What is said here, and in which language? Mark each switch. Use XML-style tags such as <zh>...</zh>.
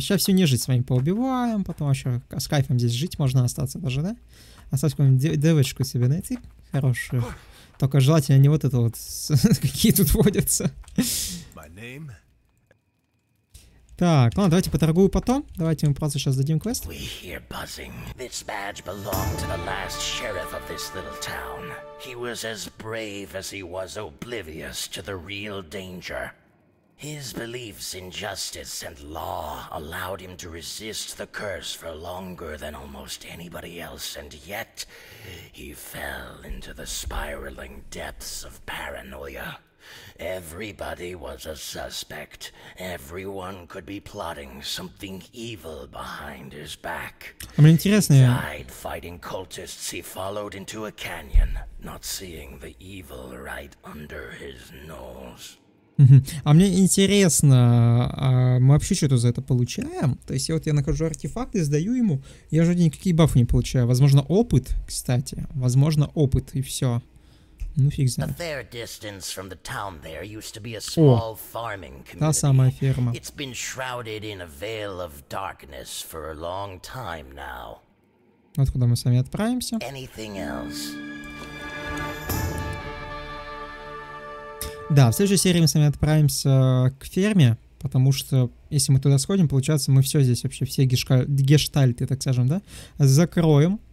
<ru>Сейчас всю нежить с вами поубиваем. Потом вообще с кайфом здесь жить можно остаться даже, да? Остаться какую-нибудь девочку себе найти хорошую. Только желательно не вот это вот, какие тут водятся. Так, ладно, давайте поторгую потом. Давайте мы просто сейчас дадим квест.</ru> <en>We hear buzzing. This badge belonged to the last sheriff of this little town. He was as brave as he was oblivious to the real danger. His beliefs in justice and law allowed him to resist the curse for longer than almost anybody else, and yet he fell into the spiraling depths of paranoia. Everybody was a suspect. Everyone could be plotting something evil behind his back. He died fighting cultists he followed into a canyon, not seeing the evil right under his nose.</en> <ru>А мне интересно, а мы вообще что-то за это получаем? То есть я вот я нахожу артефакты, сдаю ему, я же никакие бафы не получаю. Возможно, опыт, кстати. Возможно, опыт, и все. Ну фиг знает. О, та самая ферма.</ru> <en>It's been shrouded in a veil of darkness for a long time now.</en> <ru>Вот куда мы с вами отправимся.</ru> <en>Anything else?</en> <ru>Да, в следующей серии мы с вами отправимся к ферме, потому что если мы туда сходим, получается, мы все здесь вообще, все гештальты, так скажем, да, закроем.</ru>